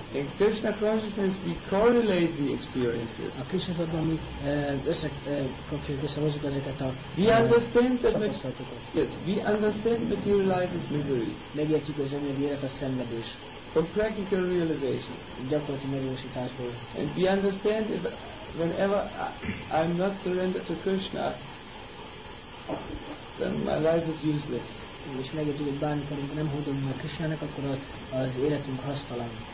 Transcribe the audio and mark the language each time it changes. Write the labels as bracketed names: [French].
[English] In Krishna consciousness we correlate the experiences. [Hungarian] A Krishna tudatban mi összekapcsoljuk, összehozzuk ezeket a tapasztalatokat. [English] Yes, we understand material life is misery. [Hungarian] Megértjük az emberi élet a szenvedés. [English] From practical realization. [Hungarian] Gyakorlati megvalósításból. [English] And we understand if, whenever I'm not surrendered to Krishna, then my life is useless. [Hungarian] És megértjük, hogy bármikor nem hódolunk meg Krishnának, akkor az életünk hasztalan.